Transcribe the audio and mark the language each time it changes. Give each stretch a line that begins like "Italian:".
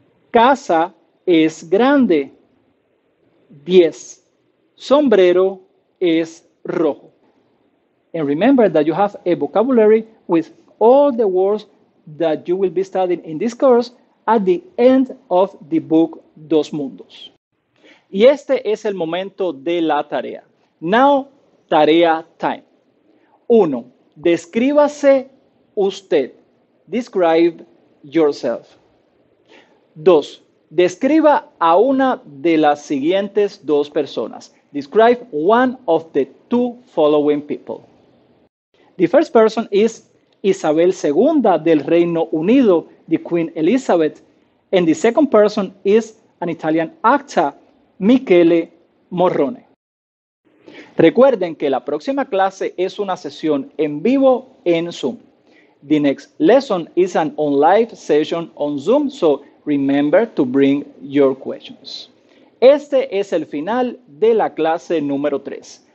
Spanish: Casa es grande. 10. Sombrero es rojo.
English: And remember that you have a vocabulary with all the words that you will be studying in this course at the end of the book Dos Mundos.
Spanish: Y este es el momento de la tarea.
English: Now, tarea time. 1.
Spanish: Descríbase usted.
English: Describe yourself.
Spanish: 2. Describa a una de las siguientes dos personas.
English: Describe one of the two following people. The first person is Isabel II del Reino Unido, the Queen Elizabeth. And the second person is an Italian actor, Michele Morrone.
Spanish: Recuerden que la próxima clase es una sesión en vivo en Zoom.
English: The next lesson is an online session on Zoom, so remember to bring your questions.
Spanish: Este es el final de la clase número 3.